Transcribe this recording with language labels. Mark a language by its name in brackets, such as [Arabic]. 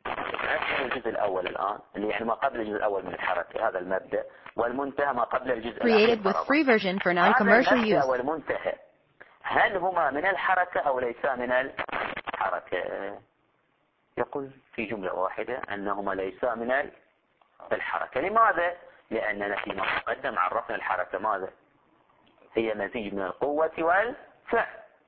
[Arabic] نفس الجزء الأول الآن اللي يعني ما قبل الجزء الأول من الحركة، هذا المبدأ، والمنتهى ما قبل الجزء الأول. [English] Created with free version for non-commercial use. [Arabic] المبدأ والمنتهى هل هما من الحركة أو ليسا من الحركة؟ يقول في جملة واحدة أنهما ليسا من الحركة. لماذا؟ لأننا فيما تقدم عرفنا الحركة ماذا؟ هي مزيج من القوة والفعل.